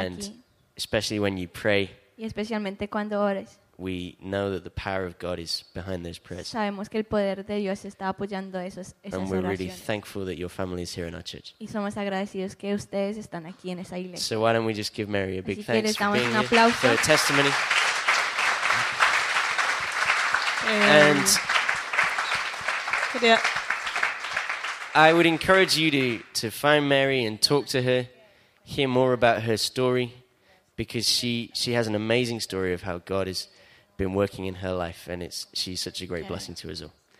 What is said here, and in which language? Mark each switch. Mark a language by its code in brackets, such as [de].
[en] and [es] aquí. [en] Especially when you pray. [es] Y especialmente cuando ores. [en] We know that the power of God is behind those prayers. [es] Sabemos que el poder de Dios está apoyando esos, esas oraciones. [en] And we're really thankful that your family is here in our church. [es] Y somos agradecidos que ustedes están aquí en esa iglesia. [en] So why don't we just give Mary a big [es] si [en] thanks for being [es] un aplauso [en] here for the testimony. And I would encourage you to find Mary and talk to her, hear more about her story, because she has an amazing story of how God has been working in her life, and she's such a great blessing to us all.